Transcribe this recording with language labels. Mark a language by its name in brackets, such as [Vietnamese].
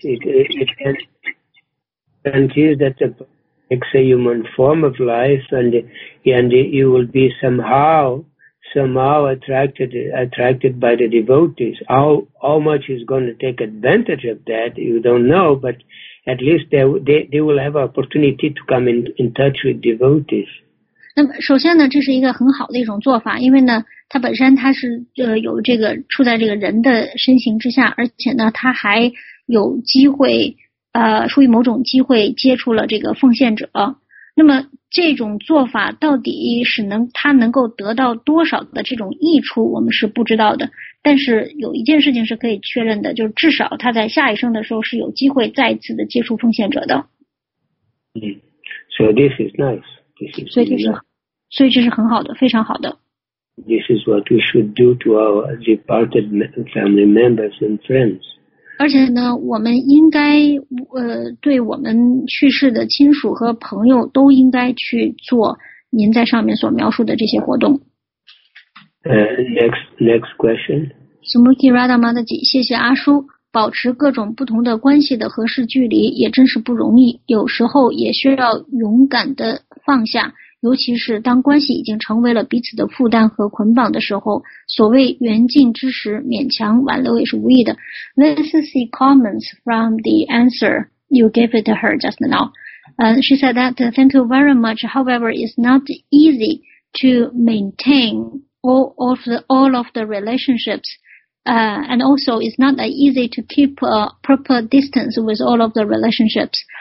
[English] It can guarantee that it takes a human form of life, and you will be somehow attracted by the devotees. How much is going to take advantage of that, you don't know, but at least they will have an opportunity to come in touch with devotees. [Chinese] 那么首先呢，这是一个很好的一种做法，因为呢他本身他是有这个处在这个人的身形之下，而且呢他还有机会出于某种机会接触了这个奉献者。那么这种做法到底是能够得到多少的这种益处，我们是不知道的，但是有一件事情是可以确认的，就是至少他在下一生的时候是有机会再次的接触奉献者的。 [English] 嗯， So this is nice. [Chinese] 所以这是很好的，非常好的。 [English] This is what we should do to our departed family members and friends. [Chinese] 而且呢，我们应该对我们去世的亲属和朋友都应该去做您在上面所描述的这些活动。 [English] Next question. [Chinese] Smriti Radama 的偈，谢谢阿叔，保持各种不同的关系的合适距离也真是不容易，有时候也需要勇敢的放下，尤其是当关系已经成为了彼此的负担和捆绑的时候，所谓缘尽之时勉强挽留也是无益的。 [English] This is the comments from the answer you gave it to her just now. She said that thank you very much. However, it's not easy to maintain all of the relationships. And also, it's not that easy to keep a proper distance with all of the relationships.